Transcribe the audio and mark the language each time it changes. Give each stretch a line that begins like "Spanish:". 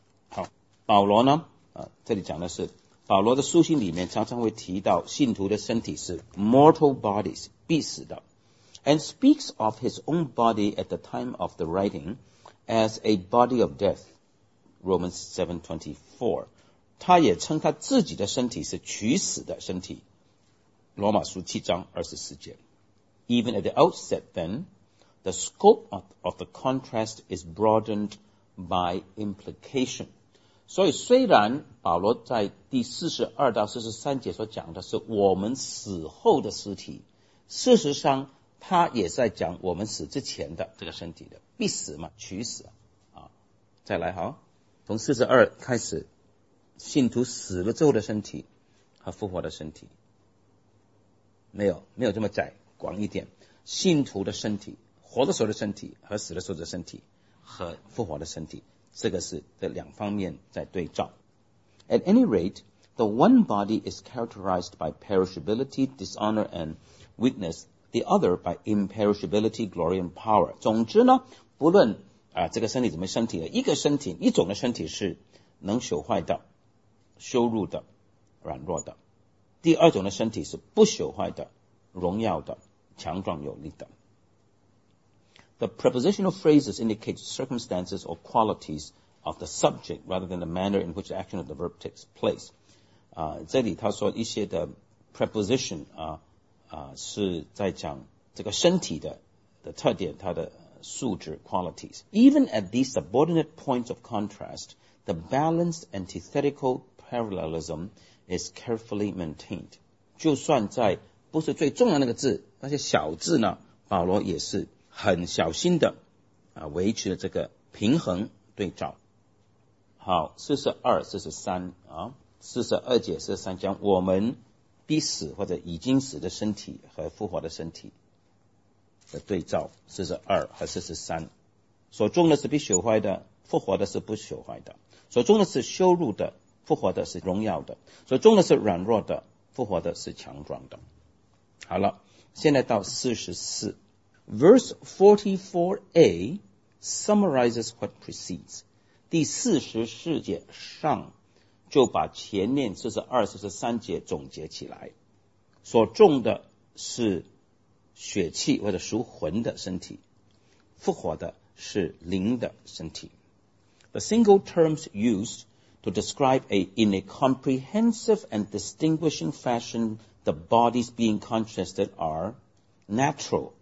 Chinese: 好，保罗呢这里讲的是保罗的书信里面常常会提到信徒的身体是
English: mortal bodies
Chinese: 必死的，
English: and speaks of his own body at the time of the writing as a body of death Romans 7:24
Chinese: 他也称他自己的身体是取死的身体，罗马书七章二十四节。
English: Even at the outset then the scope of the contrast is broadened by implication。
Chinese: 所以虽然保罗在第42到43节所讲的是我们死后的尸体，事实上他也在讲我们死之前的这个身体的必死嘛，取死啊。再来，好，从42开始，信徒死了之后的身体和复活的身体，没有这么窄，广一点，信徒的身体，活的时候的身体和死的时候的身体和复活的身体，这个是这两方面在对照。
English: At any rate, the one body is characterized by perishability, dishonor, and weakness, the other by imperishability, glory, and power.
Chinese: 总之呢，不论这个身体怎么身体的，一个身体，一种的身体是能朽坏的、羞辱的、软弱的，第二种的身体是不朽坏的、荣耀的、强壮有力的。
English: The prepositional phrases indicate circumstances or qualities of the subject rather than the manner in which the action of the verb takes place.
Chinese: 这里他说一些的 preposition 是在讲这个身体 的特点，它的素质 qualities.
English: Even at these subordinate points of contrast, the balanced antithetical parallelism is carefully maintained.
Chinese: 就算在不是最重要的那个字，那些小字呢，保罗也是很小心的维持了这个平衡对照。好，42节43讲我们必死或者已经死的身体和复活的身体的对照，42和43，所中的是必朽坏的，复活的是不朽坏的，所中的是羞辱的，复活的是荣耀的，所中的是软弱的，复活的是强壮的。好了，现在到44。
English: Verse 44a summarizes what precedes.
Chinese: 第44节上就把前面42、43节总结起来。所重的是血气或者属魂的身体，复活的是灵的身体。
English: The single terms used to describe in a comprehensive and distinguishing fashion the bodies being contrasted are natural.